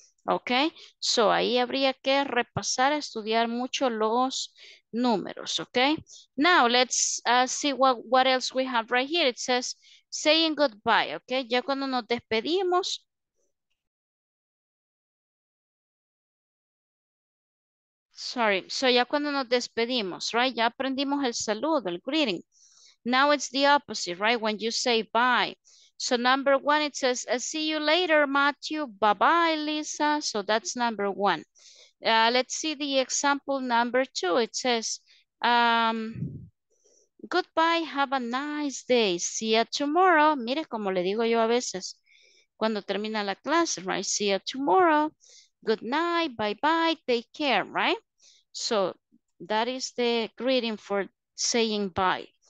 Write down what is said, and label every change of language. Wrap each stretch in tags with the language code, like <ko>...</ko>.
<es>Ok, so ahí habría que repasar, estudiar mucho los números, ok.</es> <en>Now, let's see what else we have right here. It says, saying goodbye, ok.</en> <es>Ya cuando nos despedimos.</es> <en>Sorry, so</en> <es>ya cuando nos despedimos, right, ya aprendimos el saludo, el greeting.</es> <en>Now it's the opposite, right? When you say bye. So number one, it says, see you later, Matthew. Bye-bye, Lisa. So that's number one. Let's see the example number two. It says, goodbye, have a nice day. See you tomorrow.</en> <es>Mire como le digo yo a veces cuando termina la clase, right?</es> <en>See you tomorrow. Good night, bye-bye, take care, right? So that is the greeting for saying bye.</en>